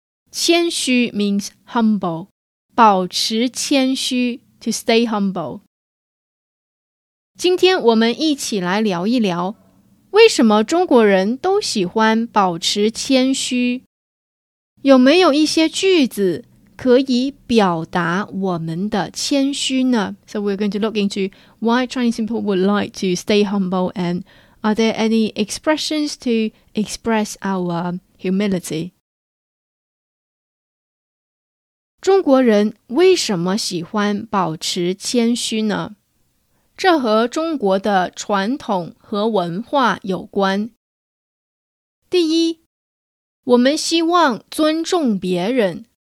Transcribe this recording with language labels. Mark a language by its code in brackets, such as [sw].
[en] 谦虚 means humble， [zh] 保持谦虚 [en] to stay humble。 [zh] 今天我们一起来聊一聊，为什么中国人都喜欢保持谦虚？有没有一些句子可以表达我们的谦虚呢？ [en] So we're going to look into why Chinese people would like to stay humble, and are there any expressions to express our humility? [zh] 中国人为什么喜欢保持谦虚呢？这和中国的传统和文化有关。第一，我们希望尊重别人。